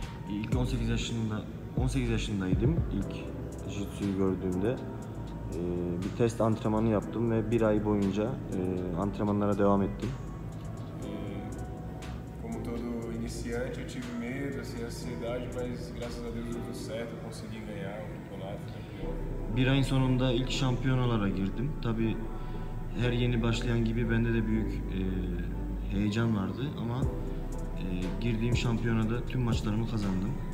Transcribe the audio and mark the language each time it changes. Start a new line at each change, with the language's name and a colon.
Turkish: İlk 18 yaşındaydım ilk Jiu-Jitsu'yu gördüğümde. Bir test antrenmanı yaptım ve bir ay boyunca antrenmanlara devam ettim.
Portuguese: Como todo iniciante, eu tive medo, assim, ansiedade, mas graças a Deus deu certo, consegui ganhar o campeonato.
Turkish: Bir ayın sonunda ilk şampiyonalara girdim. Tabii her yeni başlayan gibi bende de büyük heyecan vardı ama girdiğim şampiyonada tüm maçlarımı kazandım.